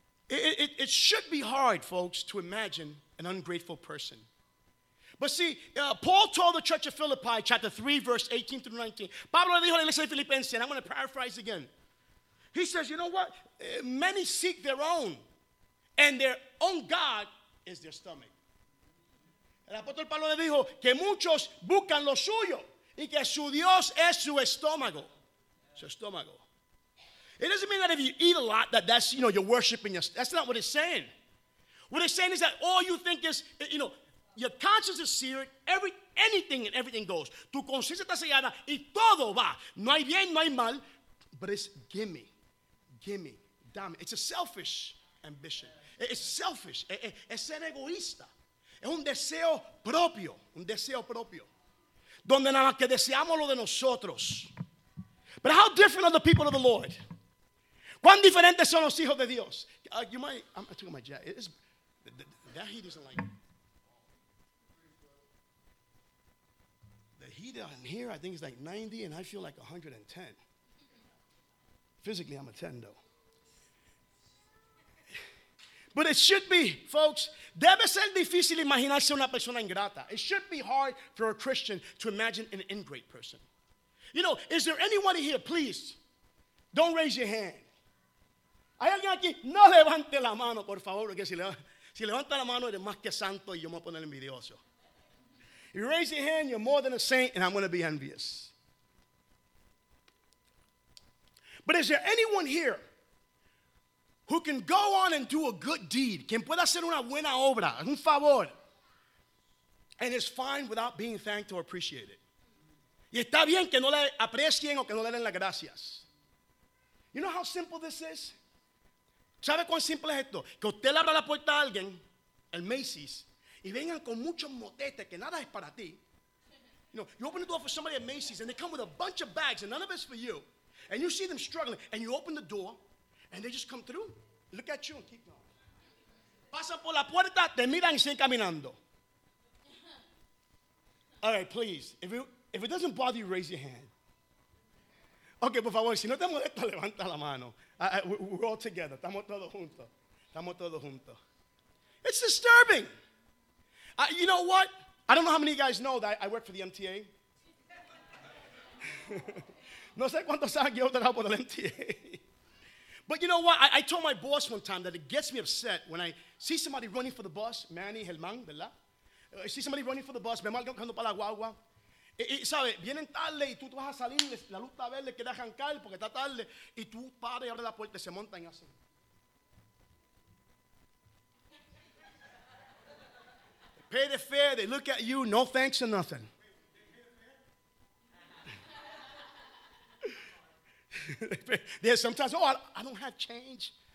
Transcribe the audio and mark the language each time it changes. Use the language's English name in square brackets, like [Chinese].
[English] It should be hard, folks, to imagine an ungrateful person. But see, Paul told the church of Philippi, chapter 3, verse 18 through 19. [Spanish] Pablo le dijo a la iglesia de Filipenses, [English] and I'm going to paraphrase again. He says, you know what? Many seek their own, and their own God is their stomach. [Spanish] El apóstol Pablo le dijo que muchos buscan lo suyo, y que su Dios es su estómago. Su estómago. [English] It doesn't mean that if you eat a lot, that's, you know, you're worshiping your stomach. That's not what it's saying. What it's saying is that all you think is, you know, your conscience is seared. Anything and everything goes. [Spanish] Tu conciencia está sellada y todo va. No hay bien, no hay mal. [English] But it's gimme, gimme, [Spanish] dame. [English] It's a selfish ambition. It's selfish. [Spanish] Es ser egoísta. Es un deseo propio. Un deseo propio. Donde nada más que deseamos lo de nosotros. [English] But how different are the people of the Lord? [Spanish] ¿Cuán diferentes son los hijos de Dios? [English] You might, I'm taking my jacket. That heat isn't like... Heat on here, I think it's like 90, and I feel like 110. Physically, I'm a 10, though. But it should be, folks, [Spanish] debe ser difícil imaginarse una persona ingrata. [English] It should be hard for a Christian to imagine an ingrate person. You know, is there anyone here, please, don't raise your hand. [Spanish] Hay alguien aquí, no levante la mano, por favor, porque si levanta la mano, eres más que santo, y yo me voy a poner envidioso. [English] You raise your hand, you're more than a saint, and I'm going to be envious. But is there anyone here who can go on and do a good deed, [Spanish] quien pueda hacer una buena obra, un favor, [English] and is fine without being thanked or appreciated? [Spanish] Y está bien que no le aprecien o que no le den las gracias. [English] You know how simple this is? [Spanish] ¿Sabe cuán simple es esto? Que usted le abra la puerta a alguien, el Macy's, y vengan con muchos motetes que nada es para ti. [English] You know, you open the door for somebody at Macy's and they come with a bunch of bags and none of it's for you. And you see them struggling and you open the door and they just come through. Look at you and keep going. [Spanish] Pasan por la puerta, te miran y siguen caminando. [English] All right, please. If it doesn't bother you, raise your hand. [Spanish] Okay, por favor, si no te molesta, levanta la mano. [English] We're all together. [Spanish] Estamos todos juntos. Estamos todos juntos. [English] It's disturbing. You know what? I don't know how many of you guys know that I work for the MTA. [Spanish] No sé cuántos saben que yo trabajo por el MTA. [English] But you know what? I told my boss one time that it gets me upset when I see somebody running for the bus, Manny, Helman, ¿verdad? I see somebody running for the bus, [Spanish] me malgo cuando para la guagua. ¿Sabes? Vienen tarde y tú vas a salir, la luz está verde, quieres arrancar porque está tarde. Y tú paras y abres la puerta y se montan y hacen. [English] Pay the fare, they look at you, no thanks or nothing. They sometimes, oh, I don't have change.